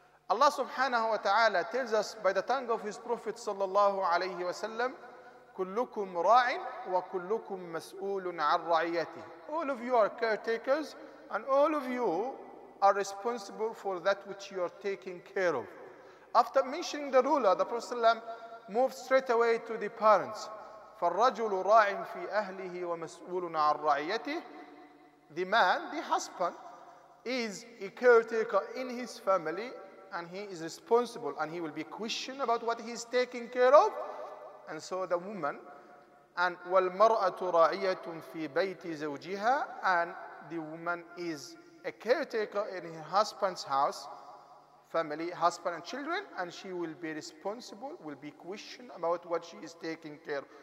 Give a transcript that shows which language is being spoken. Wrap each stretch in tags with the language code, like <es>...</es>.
<en>Allah subhanahu wa ta'ala tells us by the tongue of his prophet sallallahu alayhi wa sallam,</en> <ar>kullukum ra'in wa kullukum mas'oolun an ra'iyatihi.</ar> <en>All of you are caretakers and all of you are responsible for that which you are taking care of. After mentioning the ruler, the Prophet sallam moved straight away to the parents.</en> <ar>فالرجل راع في أهله ومسؤول عن رعيته.</ar> <en>The man, the husband, is a caretaker in his family and he is responsible and he will be questioned about what he is taking care of. And so the woman, and</en> <ar>والمرأة راعية في بيت زوجها,</ar> <en>and the woman is a caretaker in her husband's house, family, husband and children, and she will be responsible, will be questioned about what she is taking care of.</en>